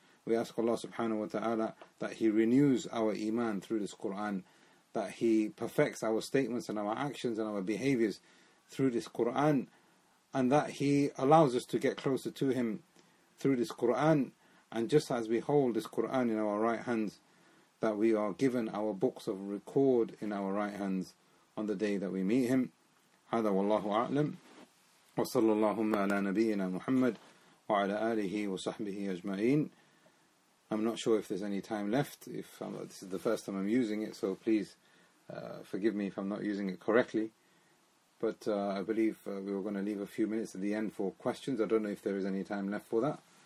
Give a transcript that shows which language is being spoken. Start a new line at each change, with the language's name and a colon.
English: We ask Allah subhanahu wa ta'ala that He renews our iman through this Qur'an, that He perfects our statements and our actions and our behaviors through this Qur'an, and that He allows us to get closer to Him through this Qur'an. And just as we hold this Qur'an in our right hands, that we are given our books of record in our right hands on the day that we meet Him.
Arabic: هذا والله أعلم وصلى الله على نبينا محمد وعلى آله وصحبه أجمعين.
English: I'm not sure if there's any time left. This is the first time I'm using it, so please forgive me if I'm not using it correctly. But I believe we were going to leave a few minutes at the end for questions. I don't know if there is any time left for that.